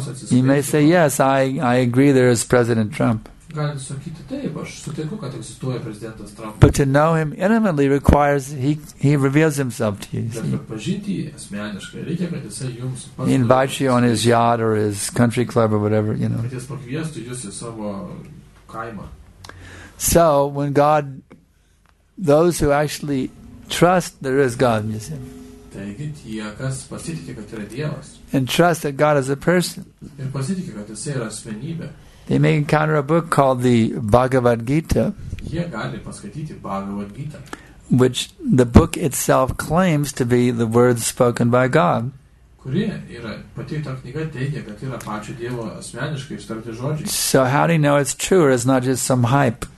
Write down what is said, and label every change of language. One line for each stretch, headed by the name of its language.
English: You may say, yes, I agree there is President Trump. But to know him intimately requires, he reveals himself to you. He invites you on his yacht or his country club or whatever, you know. So when God, those who actually trust there is God, you see.
Lithuanian: Taigi, tie, kas pasitikė, kad yra Dievas.
English: And trust that God is a person.
Lithuanian: Ir pasitikė, kad jis yra asmenybė.
English: They may encounter a book called the Bhagavad Gita.
Lithuanian: Jie gali paskaityti Bhagavad Gita.
English: Which the book itself claims to be the words spoken by God.
Lithuanian: Kuri yra, pati ta knyga teigia, kad yra pačio Dievo asmeniškai ištarti žodžiai.
English: So how do you know it's true or it's not just some hype?